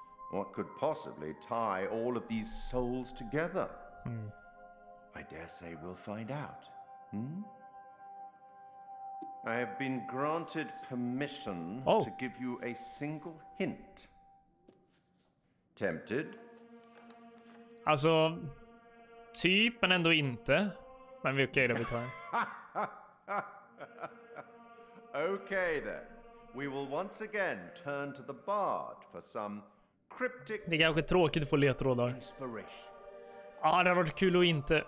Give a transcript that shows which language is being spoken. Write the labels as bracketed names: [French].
[English] What could possibly tie all of these souls together? Mm. I dare say we'll find out. I have been granted permission to give you a single hint. Tempted. [Swedish] Alltså, typ, men ändå inte. Men vi är okej där vi tar. [English] Okay then. We will once again turn to the bard for some cryptic... [Swedish] Det är kanske tråkigt att få ledtrådar. Inspiration. Ah, det har varit kul att inte...